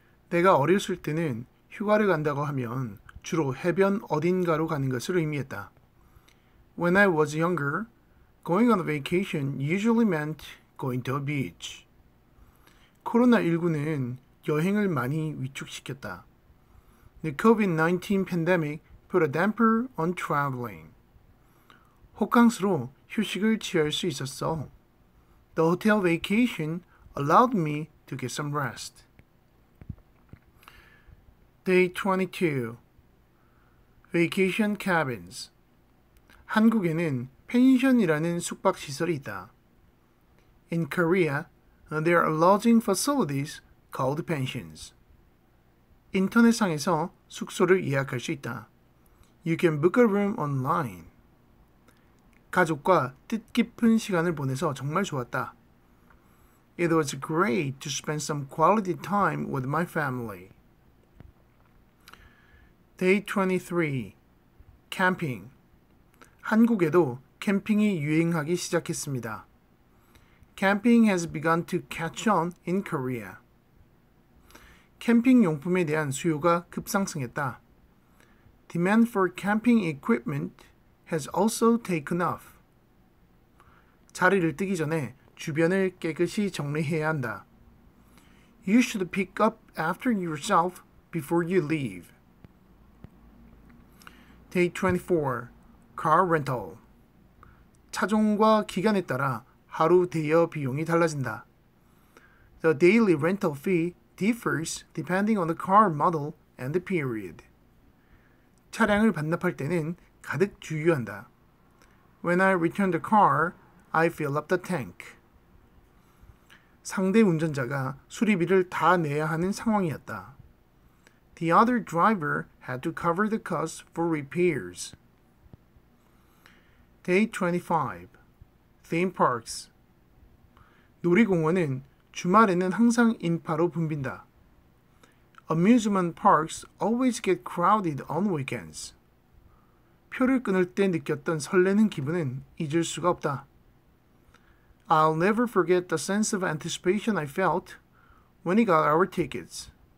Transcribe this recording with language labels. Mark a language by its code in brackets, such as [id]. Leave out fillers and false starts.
[ko] 내가 어렸을 때는 휴가를 간다고 하면 주로 해변 어딘가로 가는 것을 의미했다. [en] When I was younger, going on a vacation usually meant going to a beach. [ko] 코로나19는 여행을 많이 위축시켰다. [en] The COVID-19 pandemic put a damper on traveling. [ko] 호캉스로 휴식을 취할 수 있었어. [en] The hotel vacation allowed me to get some rest. Day 22. Vacation cabins. [ko] 한국에는 펜션이라는 숙박 시설이 있다. [en] In Korea, there are lodging facilities called pensions. [ko] 인터넷상에서 숙소를 예약할 수 있다. [en] You can book a room online. [ko] 가족과 뜻깊은 시간을 보내서 정말 좋았다. [en] It was great to spend some quality time with my family. Day 23. 캠핑. [ko] 한국에도 캠핑이 유행하기 시작했습니다. [en] Camping has begun to catch on in Korea. [ko] 캠핑 용품에 대한 수요가 급상승했다. [en] Demand for camping equipment has also taken off. [ko] 자리를 뜨기 전에 주변을 깨끗이 정리해야 한다. [en] You should pick up after yourself before you leave. Day 24. Car rental. [ko] 차종과 기간에 따라 하루 대여 비용이 달라진다. [en] The daily rental fee differs depending on the car model and the period. [ko] 차량을 반납할 때는 가득 주유한다. [en] When I return the car, I fill up the tank. [ko] 상대 운전자가 수리비를 다 내야 하는 상황이었다. [en] The other driver had to cover the cost for repairs. Day 25. Theme parks. [ko] 놀이공원은 주말에는 항상 인파로 붐빈다. [en] Amusement parks always get crowded on weekends. [ko] 표를 끊을 때 느꼈던 설레는 기분은 잊을 수가 없다. [en] I'll never forget the sense of anticipation I felt when we got our tickets.